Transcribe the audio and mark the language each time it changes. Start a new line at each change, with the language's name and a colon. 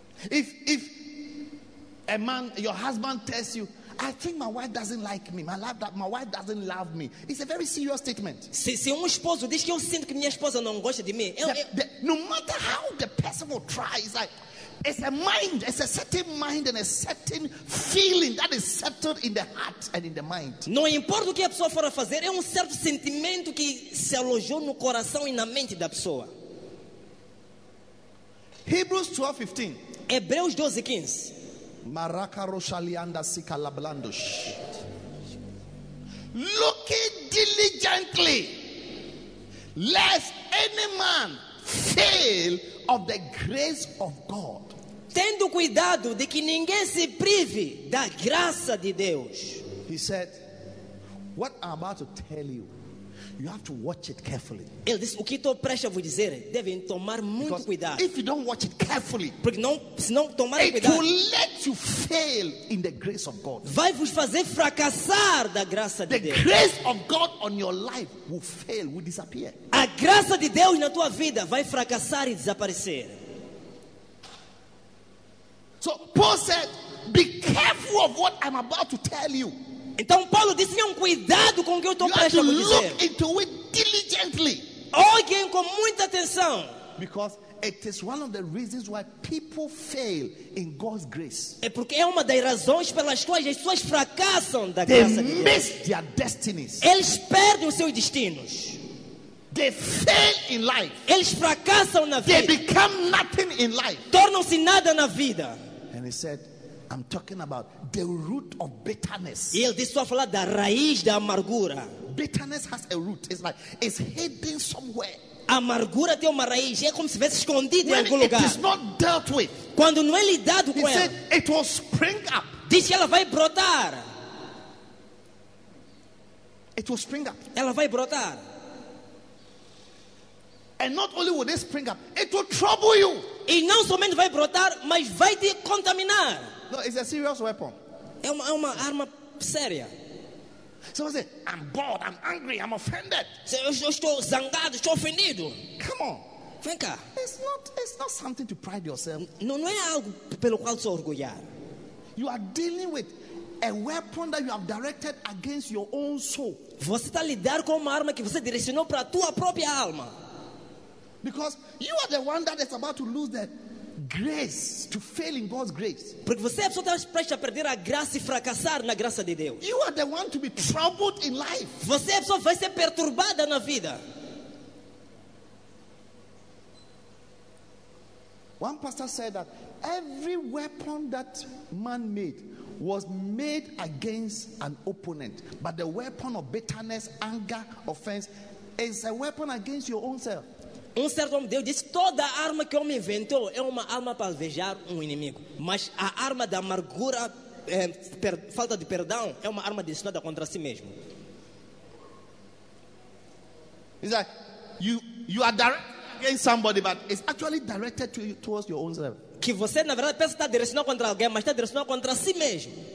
English: If a man, your husband tells you, I think my wife doesn't like me. My wife doesn't love me. It's a very serious statement.
Portuguese: Se esposo diz que eu sinto que minha esposa não gosta de mim,
English: no matter how the person will try, it's like it's a mind, it's a certain mind and a certain feeling that is settled in the heart and in the mind.
Portuguese: Não importa o que a pessoa for a fazer, é certo sentimento que se alojou no coração e na mente da pessoa.
English: Hebrews 12:15.
Portuguese: Hebreus 12, 15. Maraca roxalianda sica lablandos.
English: Look diligently, lest any man fail of the grace of God.
Portuguese: Tendo cuidado de que ninguém se prive da graça de Deus.
English: He said, what I'm about to tell you, you have to watch it carefully.
Portuguese: Ele disse, o que estou prestes a vos dizer, devem tomar muito
English: because
Portuguese: cuidado.
English: If you don't watch it carefully,
Portuguese: porque não, se não tomar
English: it
Portuguese: cuidado,
English: will let you fail in the grace of God.
Portuguese: Vai vos fazer fracassar da graça
English: the
Portuguese: de Deus.
English: The grace of God on your life will fail, will disappear.
Portuguese: A graça de Deus na tua vida vai fracassar e desaparecer.
English: So Paul said, be careful of what I'm about to tell you.
Portuguese: Então Paulo disse, cuidado com o que eu estou prestes a dizer.
English: Look into it diligently.
Portuguese: Olhem com muita atenção.
English: Because it is one of the reasons why people fail in God's grace.
Portuguese: É porque é uma das razões pelas quais as pessoas fracassam da
English: they
Portuguese: graça de Deus.
English: Miss their destinies.
Portuguese: Eles perdem os seus destinos.
English: They fail in life.
Portuguese: Eles fracassam na vida.
English: They become nothing in life.
Portuguese: Tornam-se nada na vida.
English: And he said, I'm talking about the root of bitterness.
Portuguese: E ele disse, estou a falar da raiz da amargura.
English: Bitterness has a root. It's like it's hidden somewhere.
Portuguese: A amargura tem uma raiz. É como se tivesse escondido em algum
English: it
Portuguese: lugar.
English: Is not dealt with,
Portuguese: quando não é lidado com
English: he
Portuguese: ela.
English: Said, it will spring up.
Portuguese: Diz que ela vai brotar.
English: It will spring up.
Portuguese: Ela vai brotar.
English: And not only will it spring up, it will trouble you.
Portuguese: E não somente vai brotar, mas vai te contaminar.
English: No, it's a serious weapon.
Portuguese: É uma arma séria.
English: Someone say, I'm bored, I'm angry, I'm offended.
Portuguese: Eu estou zangado, estou ofendido.
English: Come on.
Portuguese: Vem cá.
English: It's not something to pride yourself.
Portuguese: Não é algo pelo qual se orgulhar.
English: You are dealing with a weapon that you have directed against your own soul.
Portuguese: Você está lidando com uma arma que você direcionou para a tua própria alma.
English: Because you are the one that is about to lose the grace, to fail in God's grace.
Portuguese: Porque você é a pessoa que está prestes a perder a graça e fracassar na graça de Deus.
English: You are the one to be troubled in life.
Portuguese: Você é a pessoa que vai ser perturbada na vida.
English: One pastor said that every weapon that man made was made against an opponent. But the weapon of bitterness, anger, offense is a weapon against your own self.
Portuguese: Certo homem de Deus disse, toda arma que o homem inventou é uma arma para alvejar inimigo. Mas a arma da amargura, falta de perdão, é uma arma destinada contra si mesmo.
English: It's like, you are directed against somebody, but it's actually directed towards your own self.
Portuguese: que você na verdade pensa que está direcionado contra alguém, mas está direcionado contra si mesmo.